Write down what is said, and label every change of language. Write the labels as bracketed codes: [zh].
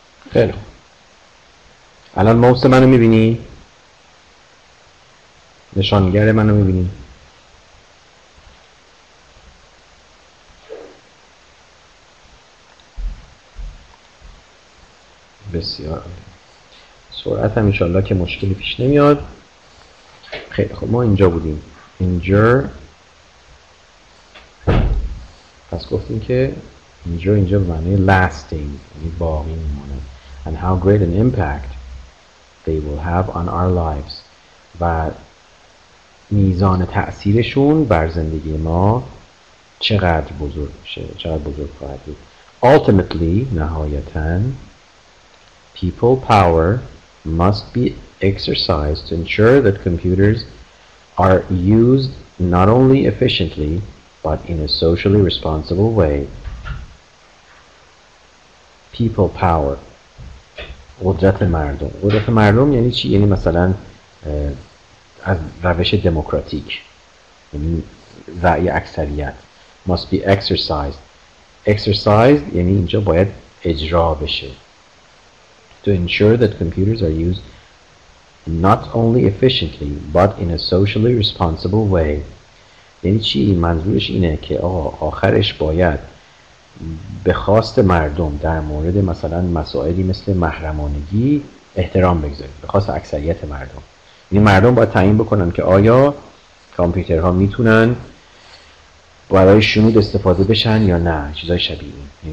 [fa] خیلی الان موس منو میبینی؟ نشانگر منو میبینی؟ بسیار سرعت هم انشاءالله که مشکلی پیش نمیاد. خیلی خب ما اینجا بودیم. اینجور پس گفتیم که اینجور اینجا به معنی lasting یعنی باقی میمونه. [en] And how great an impact they will have on our lives. [fa] و میزان تأثیرشون بر زندگی ما چقدر بزرگ میشه، چقدر بزرگ خواهد بود. [en] Ultimately, نهایتاً, people power must be exercised to ensure that computers are used not only efficiently, but in a socially responsible way. People power. [fa] قدرت مردم. قدرت مردم یعنی چی؟ یعنی مثلا از روش دموکراتیک، یعنی رأی اکثریت. [en] must be exercised [fa] exercised یعنی اینجا باید اجرا بشه. [en] To ensure that computers are used not only efficiently but in a socially responsible way. [fa] یعنی چی؟ منظورش اینه که آخرش باید به خواست مردم در مورد مثلا مسائلی مثل محرمانگی احترام بگذارید، به خواست اکثریت مردم. یعنی مردم باید تعیین بکنن که آیا کامپیوترها میتونن برای شنود استفاده بشن یا نه، چیزای شبیه این.